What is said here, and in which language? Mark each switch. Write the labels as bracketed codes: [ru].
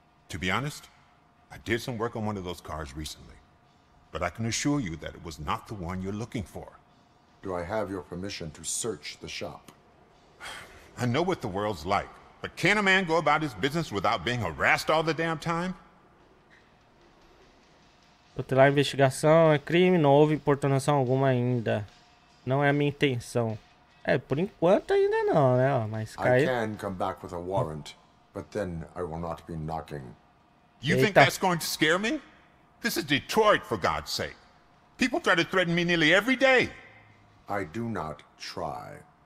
[en] To be honest, I did some work on one of those cars recently, but I can assure you that it was not the one you're looking for. Do I have your permission to search the shop? I know what the world's like, but can a man go about his business without being harassed all the damn time? [pt] Tutelar investigação é crime, não houve importunação alguma ainda. Não é a minha intenção. É, por enquanto ainda não, né? Mas cai. [en] I can come back with a warrant, but then I will not be knocking. You think that's going to scare me? This is Detroit, for God's sake. People try to threaten me nearly every day. I do not try.